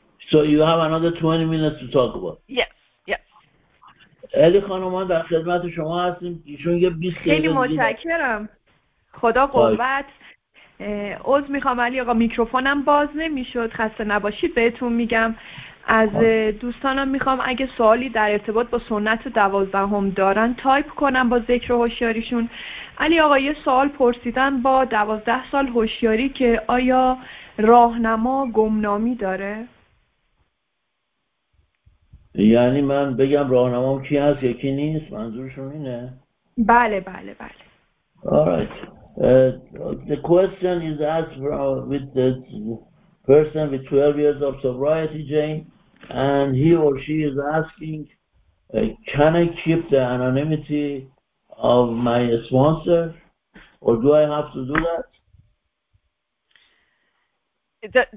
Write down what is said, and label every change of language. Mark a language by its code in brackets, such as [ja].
[en] So you have another 20 minutes to talk about. Yes. Yes. [fa] الی خانم ما در خدمت شما هستیم. ایشون یه 20 دقیقه. خیلی متشکرم. خدا قوت. عوض میخوام علی آقا، میکروفونم باز نمیشد، خسته نباشید. بهتون میگم از دوستانم میخوام اگه سوالی در ارتباط با سنت دوازدهم دارن تایپ کنم با ذکر هوشیاریشون. علی آقا یه سوال پرسیدن، با 12 سال هوشیاری که آیا راهنما گمنامی داره؟ یعنی من بگم راهنمام کی هست یکی نیست، منظورشون اینه؟ بله بله بله. [en] Alright. The question is asked with the person with 12 years of sobriety, Jane, and he or she is asking, can I keep the anonymity of my sponsor, or do I have to do that?